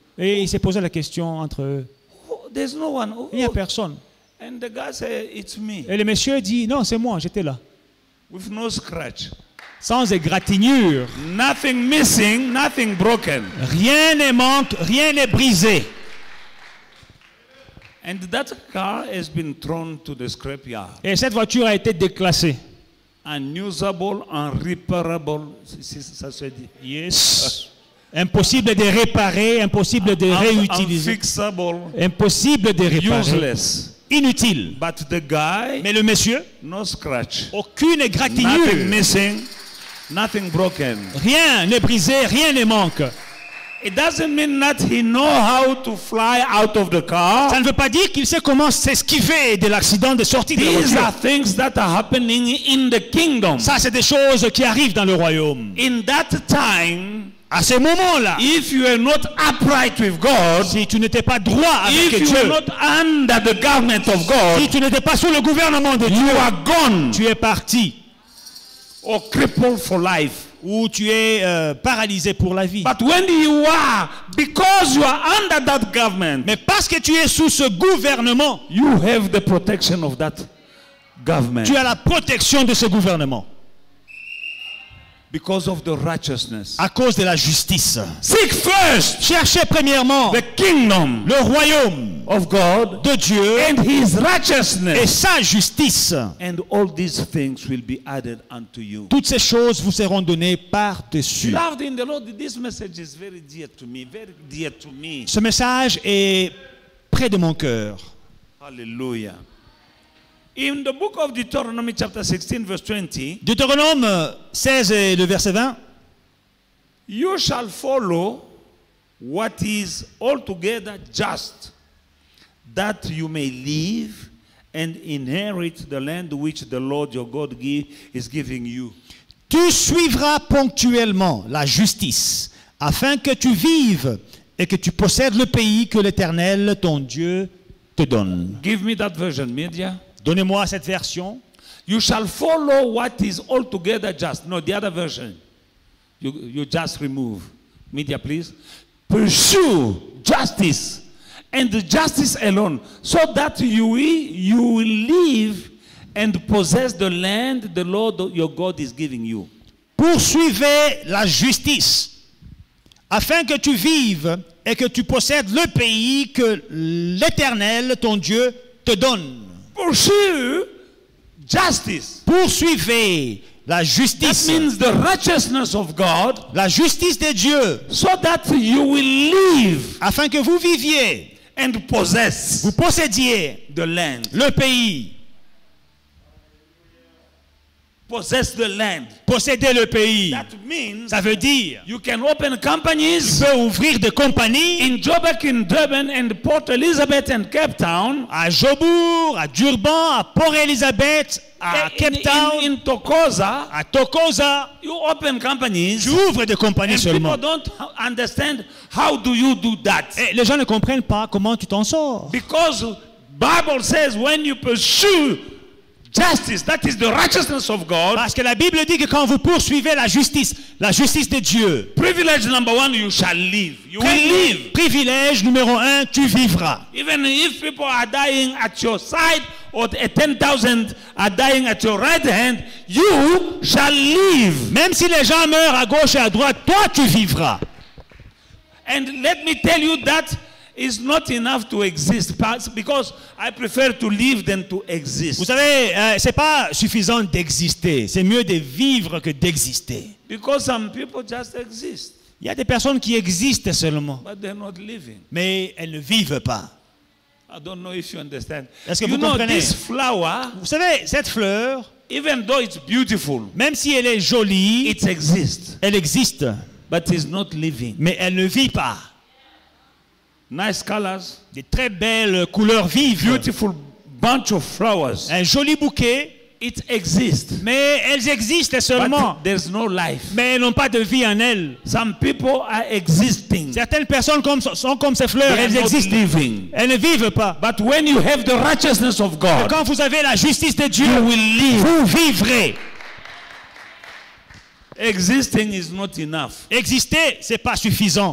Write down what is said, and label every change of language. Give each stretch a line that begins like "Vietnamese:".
French: et ils se posaient la question entre eux.
English: There's no one.
French: Il n'y a personne.
English: And the guy said, it's me.
French: Et le monsieur dit, non, c'est moi, j'étais là.
English: With no scratch.
French: Sans égratignure.
English: Nothing missing, nothing broken.
French: Rien ne manque, rien n'est brisé.
English: And that car has been thrown to the scrapyard.
French: Et cette voiture a été déclassée.
English: Unusable, unreparable,
French: si ça se dit.
English: Yes.
French: Impossible de réparer, impossible de réutiliser.
English: Unfixable.
French: Impossible de réparer.
English: Useless.
French: Inutile.
English: But the guy,
French: mais le monsieur,
English: no scratch,
French: aucune égratignure,
English: nothing missing, nothing broken.
French: Rien n'est brisé, rien ne manque.
English: It doesn't mean that he know how to fly out of the car.
French: Ça ne veut pas dire qu'il sait comment s'esquiver de l'accident de sortie
English: these
French: de la voiture.
English: These are things that are happening in the kingdom.
French: Ça, c'est des choses qui arrivent dans le royaume.
English: In that time,
French: à ce moment-là,
English: if you are not upright with God,
French: si tu n'étais pas droit avec
English: if
French: Dieu,
English: you are not under the government of God,
French: si tu n'étais pas sous le gouvernement de
English: you
French: Dieu,
English: are gone,
French: tu es parti,
English: or crippled for life,
French: ou tu es paralysé pour la vie.
English: But when you are, because you are under that government,
French: mais parce que tu es sous ce gouvernement,
English: you have the protection of that government.
French: Tu as la protection de ce gouvernement.
English: Because of the righteousness.
French: À cause de la justice.
English: Seek first.
French: Cherchez premièrement.
English: The kingdom.
French: Le royaume.
English: Of God.
French: De Dieu.
English: And His righteousness.
French: Et sa justice.
English: And all these things will be added unto you.
French: Toutes ces choses vous seront données par-dessus.
English: Loved in the Lord, this message is very dear to me. Very dear to me.
French: Ce message est près de mon cœur.
English: Hallelujah. In the book of Deuteronomy chapter 16 verse 20.
French: Deutéronome 16 et le verset 20.
English: You shall follow what is altogether just that you may live and inherit the land which the Lord your God is giving you.
French: Tu suivras ponctuellement la justice afin que tu vives et que tu possèdes le pays que l'Éternel ton Dieu te donne.
English: Give me that version, media.
French: Donnez-moi cette version.
English: You shall follow what is altogether just. No, the other version. You just remove. Media, please. Pursue justice and justice alone so that you will live and possess the land the Lord your God is giving you.
French: Poursuivez la justice afin que tu vives et que tu possèdes le pays que l'Éternel, ton Dieu, te donne.
English: Pursue justice.
French: Poursuivez la justice.
English: That means the righteousness of God.
French: La justice de Dieu.
English: So that you will live.
French: Afin que vous viviez.
English: And possess.
French: Vous possédiez.
English: The land.
French: Le pays.
English: Possess the land.
French: Possédez le pays.
English: That means.
French: Ça veut dire.
English: You can open companies.
French: Vous pouvez ouvrir des compagnies.
English: In Joburg, in Durban, and Port Elizabeth, and Cape Town.
French: À Joburg, à Durban, à Port Elizabeth, à Cape Town.
English: In Tokoza.
French: À Tokoza.
English: You open companies.
French: Tu ouvres des compagnies
English: and
French: seulement.
English: People don't understand how do you do that.
French: Et les gens ne comprennent pas comment tu t'en sors.
English: Because Bible says when you pursue. Justice, that is the righteousness of God.
French: Parce que la Bible dit que quand vous poursuivez la justice de Dieu.
English: Privilege number one, you shall live. You will live.
French: Privilège numéro un, tu vivras.
English: Even if people are dying at your side or 10,000 are dying at your right hand, you shall live.
French: Même si les gens meurent à gauche et à droite, toi tu vivras.
English: And let me tell you, that is not enough to exist, because I prefer to live than to exist.
French: Vous savez, c'est pas suffisant d'exister. C'est mieux de vivre que d'exister.
English: Because some people just exist.
French: Il y a des personnes qui existent seulement.
English: But they're not living.
French: Mais elles ne vivent pas.
English: I don't know if you understand.
French: Est-ce que
English: you
French: vous
English: know,
French: comprenez?
English: This flower,
French: vous savez, cette fleur,
English: even though it's beautiful,
French: même si elle est jolie,
English: it exists.
French: Elle existe.
English: But it's not living.
French: Mais elle ne vit pas.
English: Nice colors,
French: des très belles couleurs vives.
English: Beautiful bunch of flowers.
French: Un joli bouquet.
English: It exists.
French: Mais elles existent seulement.
English: But there's no life.
French: Mais elles n'ont pas de vie en elles.
English: Some people are existing.
French: Certaines personnes sont comme ces fleurs.
English: They
French: elles existent.
English: Living.
French: Elles ne vivent pas.
English: But when you have the righteousness of God,
French: quand vous avez la justice de Dieu,
English: you will live.
French: Vous vivrez.
English: Existing is not enough.
French: Exister, c'est pas suffisant.